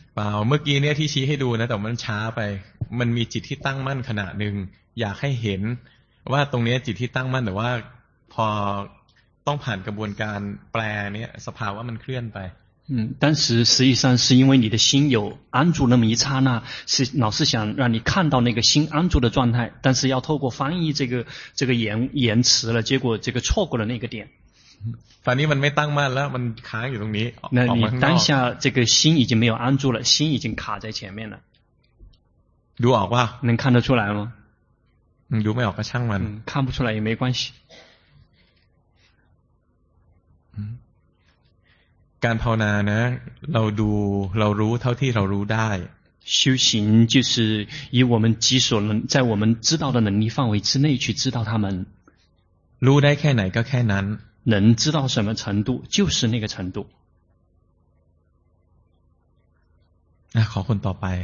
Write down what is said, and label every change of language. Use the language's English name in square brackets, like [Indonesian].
[Thai] เปล่าเมื่อกี้เนี่ยที่ชี้ให้ดูนะแต่มันช้าไปมันมีจิตที่ตั้งมั่นขณะหนึ่งอยากให้เห็นว่าตรงนี้จิตที่ตั้งมั่นแต่ว่าพอต้องผ่านกระบวนการแปลเนี่ยสภาวะมันเคลื่อนไป [Chinese] 当时实际上是因为你的心有安住那么一刹那，是老师想让你看到那个心安住的状态，但是要透过翻译这个延迟了，结果这个错过了那个点。 [Thai] 反正มันไม่ตั้งมั่นแล้วมันค้างอยู่ตรงนี้ [Chinese] 那你当下这个心已经没有安住了，心已经卡在前面了。 [Thai] ดูออกป่ะ [Chinese] 能看得出来吗？ [Thai] ดูไม่ออกก็ช่างมัน [Chinese] 看不出来也没关系。 [Thai] การภาวนานะเราดูเรารู้เท่าที่เรารู้ได้ [Chinese] 修行就是以我们己所能在我们知道的能力范围之内去知道他们 [Thai] รู้ได้แค่ไหนก็แค่นั้น [Chinese] 能知道什么程度就是那个程度 [Thai] ขอคนต่อไป